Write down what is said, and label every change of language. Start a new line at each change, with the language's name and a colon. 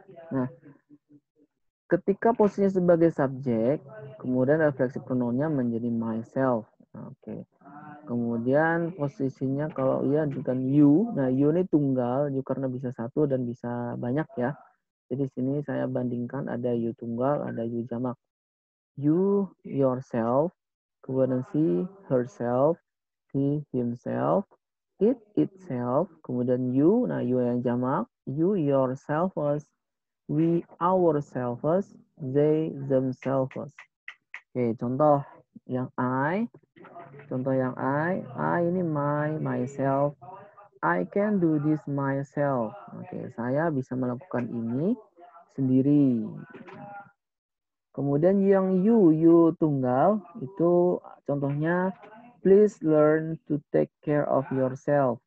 Indonesian: Nah, ketika posisinya sebagai subjek, kemudian reflexive pronounnya menjadi myself. Oke. Kemudian posisinya kalau ia dengan you, nah you ini tunggal, you karena bisa satu dan bisa banyak ya. Jadi sini saya bandingkan ada you tunggal, ada you jamak.
English: You yourself,
Indonesian: kemudian
English: she herself, he himself, it itself, kemudian you,
Indonesian: nah you yang jamak,
English: you yourselves, we ourselves, they themselves.
Indonesian: Oke, contoh yang I. Contoh yang I ini
English: my, myself. I can do this myself.
Indonesian: Oke, saya bisa melakukan ini sendiri. Kemudian yang you tunggal, itu contohnya,
English: please learn to take care of yourself.